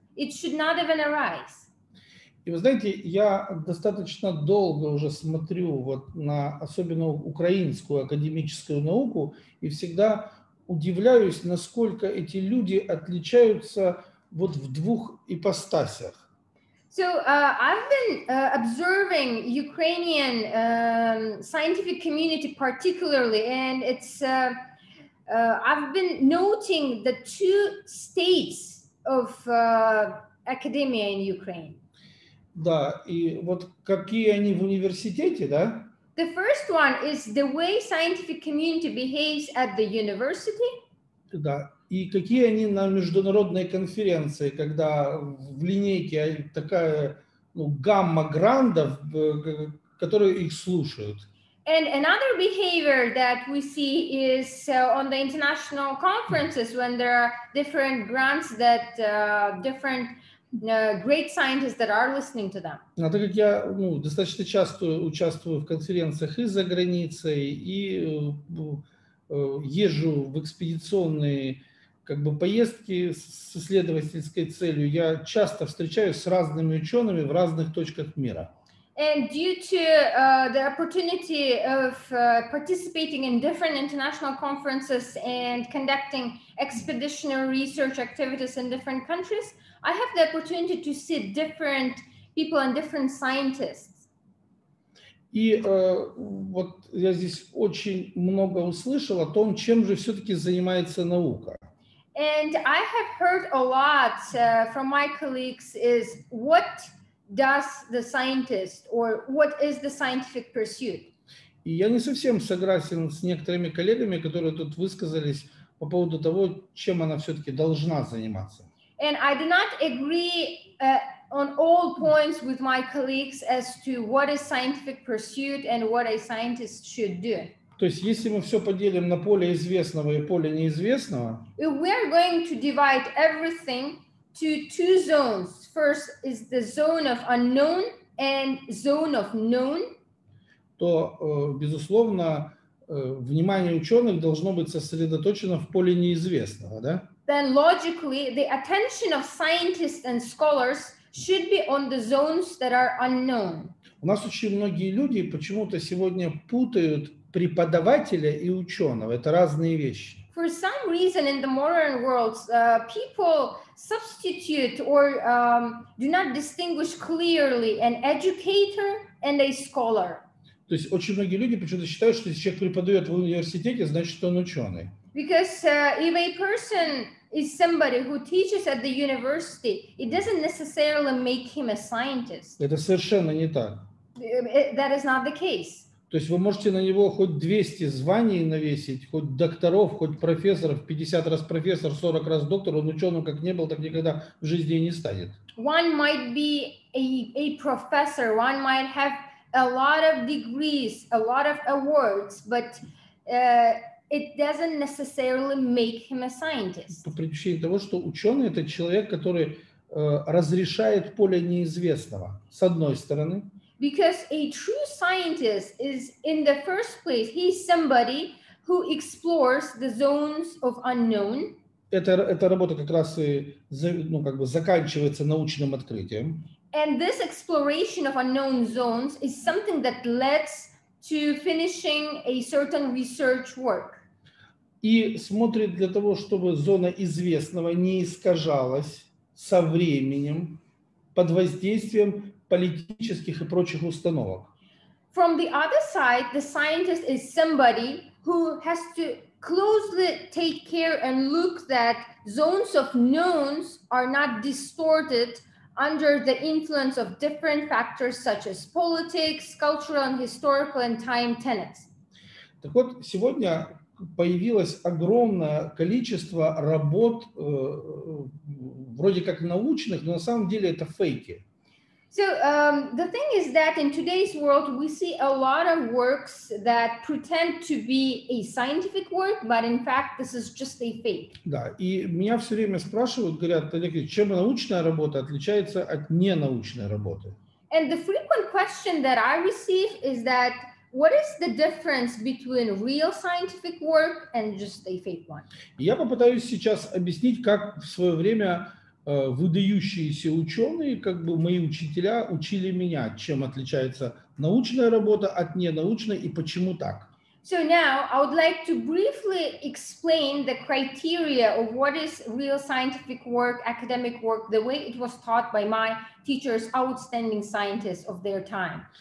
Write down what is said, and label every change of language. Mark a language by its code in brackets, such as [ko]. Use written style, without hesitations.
[en] It should not even arise. [ru] И вы знаете, я достаточно долго уже смотрю вот на особенно украинскую академическую науку и всегда удивляюсь, насколько эти люди отличаются вот в двух ипостасях. [en] So I've been observing Ukrainian scientific community particularly, and it's I've been noting the two states of academia in Ukraine. [ru] Да, и вот какие они в университете, да? [en] The first one is the way scientific community behaves at the university. [ru] Да. И какие они на международной конференции, когда в линейке такая ну, гамма грандов, которые их слушают. [en] And another behavior that we see is on the international conferences when there are different grants that different great scientists that are listening to them. [ru] А так как я ну, достаточно часто участвую в конференциях и за границей, и езжу в экспедиционные как бы поездки с исследовательской целью, я часто встречаюсь с разными учеными в разных точках мира. [en] And due to the opportunity of participating in different international conferences and conducting expeditionary research activities in different countries, I have the opportunity to see different people and different scientists. [ru] И вот я здесь очень много услышал о том, чем же все-таки занимается наука. [en] And I have heard a lot from my colleagues is what does the scientist or what is the scientific pursuit? [ru] И я не совсем согласен с некоторыми коллегами, которые тут высказались по поводу того, чем она все-таки должна заниматься. [en] And I do not agree on all points with my colleagues as to what is scientific pursuit and what a scientist should do. [ru] То есть, если мы все поделим на поле известного и поле неизвестного, [en] if we are going to divide everything to two zones. First is the zone of unknown and zone of known. [ru] То, безусловно, внимание ученых должно быть сосредоточено в поле неизвестного, да? [en] Then logically, the attention of scientists and scholars should be on the zones that are unknown. [ru] У нас очень многие люди почему-то сегодня путают преподавателя и ученого. Это разные вещи. [en] For some reason in the modern world, people substitute or do not distinguish clearly an educator and a scholar. [ru] То есть очень многие люди почему-то считают, что если человек преподает в университете, значит он ученый. [en] Because if a person is somebody who teaches at the university, it doesn't necessarily make him a scientist. [ru] Это совершенно не так. [en] That is not the case. [ru] То есть вы можете на него хоть 200 званий навесить, хоть докторов, хоть профессоров, 50 раз профессор, 40 раз доктор, он ученым как не был, так никогда в жизни и не станет. [en] One might be a professor, one might have a lot of degrees, a lot of awards, but it doesn't necessarily make him a scientist. [ru] По причине того, что ученый – это человек, который разрешает поле неизвестного, с одной стороны. [en] Because a true scientist is, in the first place, he's somebody who explores the zones of unknown. [ru] Эта работа как раз и ну, как бы заканчивается научным открытием. [en] And this exploration of unknown zones is something that leads to finishing a certain research work. [ru] И смотрит для того, чтобы зона известного не искажалась со временем под воздействием политических и прочих установок. [en] From the other side, the scientist is somebody who has to closely take care and look that zones of knowns are not distorted under the influence of different factors such as politics, cultural and historical and time tenets. [ru] Так вот, сегодня появилось огромное количество работ, вроде как научных, но на самом деле это фейки. [en] So the thing is that in today's world, we see a lot of works that pretend to be a scientific work, but in fact, this is just a fake. [ru] Да, и меня все время спрашивают, говорят, Олег, чем научная работа отличается от ненаучной работы? [en] And the frequent question that I receive is that what is the difference between real scientific work and just a fake one? [ru] Я попытаюсь сейчас объяснить, как в свое время выдающиеся ученые, как бы мои учителя, учили меня, чем отличается научная работа от ненаучной и почему так. [en] So now I would like to briefly explain the criteria of what is real scientific work, academic work, the way it was taught by my teachers, outstanding scientists of their time.